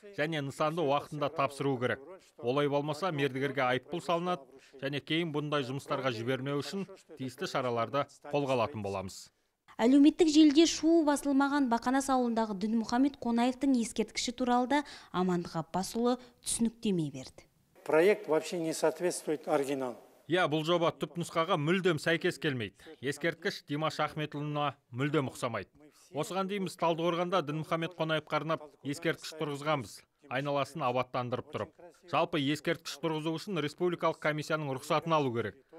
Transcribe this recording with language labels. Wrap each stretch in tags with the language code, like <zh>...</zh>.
<kk>Және нысанды уақытында тапсыру керек. Олай болмаса мердігерге айыппұл салынады. Және кейін бұндай жұмыстарға жібермеу үшін тиісті шараларды қолға алатын боламыз. Әлеуметтік желіде шуы басылмаған Бақанас ауылындағы Дінмұхамед Қонаевтың ескерткіші туралы да Амандық Аппасұлы түсініктеме берді.</kk> <ru>Проект вообще не соответствует оригинал.</ru> <kk>Бұл жоба түпнұсқаға мүлдем сәйкес келмейді. Ескерткіш Димаш Ахметұлына мүлдем ұқсамайды. Осыған дейміз Талдықорғанда Дінмұхамед Қонаевқа арнап ескерткіш тұрғызғанбыз. Айналасын абаттандырып тұрып. Жалпы ескерткіш тұрғызу үшін республикалық комиссияның рұқсатын алу керек.</kk>